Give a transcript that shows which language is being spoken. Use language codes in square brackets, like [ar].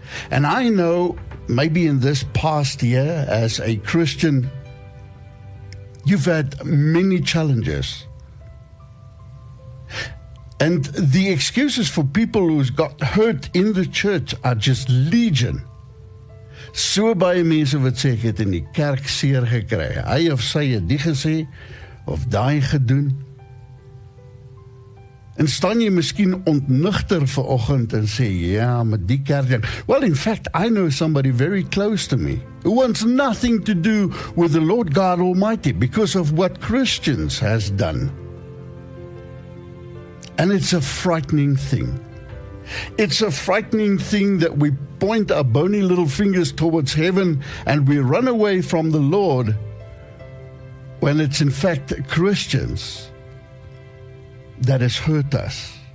[en] And I know maybe in this past year as a Christian, you've had many challenges. And the excuses for people who's got hurt in the church are just legion. [af] So baie mense wat sê ek het in die kerk seer gekry. Hy of sy het die gesê of daai gedoen. En staan jy miskien ontnugter vanoggend en sê, ja, maar die kerk. [en] Well, in fact, I know somebody very close to me who wants nothing to do with the Lord God Almighty because of what Christians has done. And it's a frightening thing. It's a frightening thing that we point our bony little fingers towards heaven and we run away from the Lord, when it's in fact Christians that has hurt us.